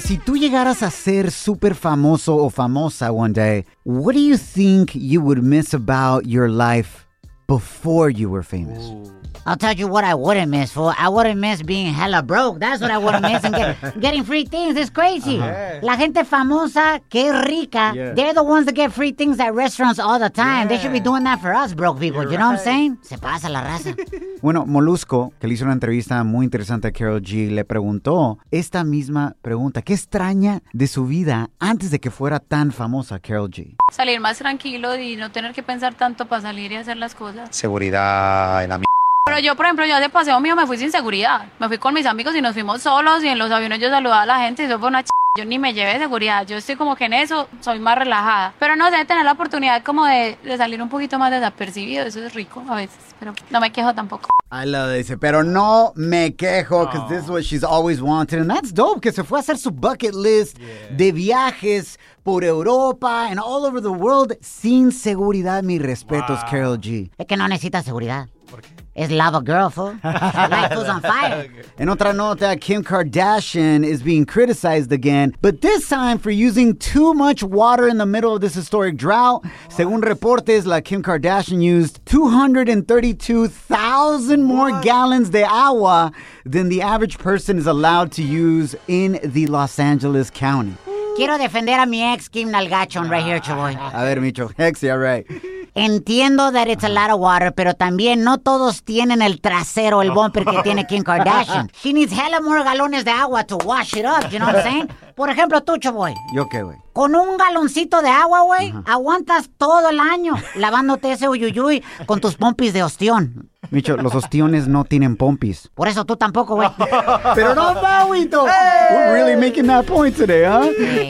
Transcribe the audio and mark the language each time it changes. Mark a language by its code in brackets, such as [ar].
[es] Si tú llegaras a ser super famoso o famosa [en] one day, what do you think you would miss about your life before you were famous? Ooh. I'll tell you what I wouldn't miss, fool. I wouldn't miss being hella broke. That's what I wouldn't miss. And getting free things. It's crazy. Uh-huh. [es] La gente famosa, que rica, yeah. [en] They're the ones that get free things at restaurants all the time. Yeah. They should be doing that for us broke people. You're know right. What I'm saying? [es] Se pasa la raza. Bueno, Molusco, que le hizo una entrevista muy interesante a Carol G, le preguntó esta misma pregunta. ¿Qué extraña de su vida antes de que fuera tan famosa Carol G? Salir más tranquilo y no tener que pensar tanto para salir y hacer las cosas. Seguridad en la mierda. Pero yo, por ejemplo, yo de paseo mío me fui sin seguridad. Me fui con mis amigos y nos fuimos solos y en los aviones yo saludaba a la gente y eso fue una chingada. Yo ni me llevé seguridad. Yo estoy como que en eso soy más relajada. Pero no sé, tener la oportunidad como de salir un poquito más desapercibido, eso es rico a veces. Pero no me quejo tampoco. [en] I love it. [es] Pero no me quejo, [en] because this is what she's always wanted. And that's dope, [es] que se fue a hacer su bucket list de viajes por Europa [en] and all over the world [es] sin seguridad. Mis respetos, wow. Carol G. Es que no necesita seguridad. ¿Por qué? [en] It's love a girl, fool. Life was on fire. [es] En otra nota, [en] Kim Kardashian is being criticized again, but this time for using too much water in the middle of this historic drought. What? [es] Según reportes, la [en] Kim Kardashian used 232,000 more gallons [es] de agua [en] than the average person is allowed to use in the Los Angeles County. [es] Quiero defender a mi ex, Kim Nalgachon, [en] right here, [es] chavoy. A ver, Micho, ex, [en] yeah, right. [es] Entiendo [en] that it's a lot of water, [es] pero también no todos tienen el trasero, el bumper que tiene Kim Kardashian. [en] She needs hella more [es] galones de agua [en] to wash it up, you know what I'm saying? [es] Por ejemplo, tú, chavoy. ¿Yo qué, güey? Con un galoncito de agua, güey, aguantas todo el año lavándote ese uyuyuy con tus pompis de ostión. Micho, los ostiones no tienen pompis. Por eso tú tampoco, güey. Pero no, [en] Mauito. Hey. We're really making that point today, huh? Hey.